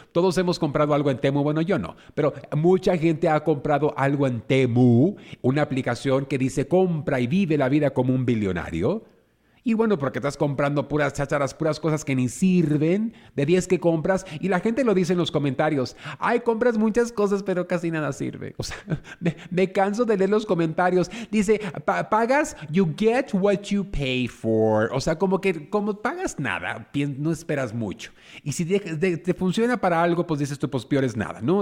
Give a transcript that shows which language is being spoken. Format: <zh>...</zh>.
<es>Todos hemos comprado algo en Temu, bueno, yo no, pero mucha gente ha comprado algo en Temu, una aplicación que dice compra y vive la vida como un billonario. Y bueno, porque estás comprando puras chácharas, puras cosas que ni sirven, de 10 que compras, y la gente lo dice en los comentarios, ay, compras muchas cosas, pero casi nada sirve. O sea, me canso de leer los comentarios. Dice, pagas,</es> <en>you get what you pay for.</en> <es>O sea, como que, como pagas nada, no esperas mucho. Y si te funciona para algo, pues dices tú, pues peor es nada, ¿no?</es>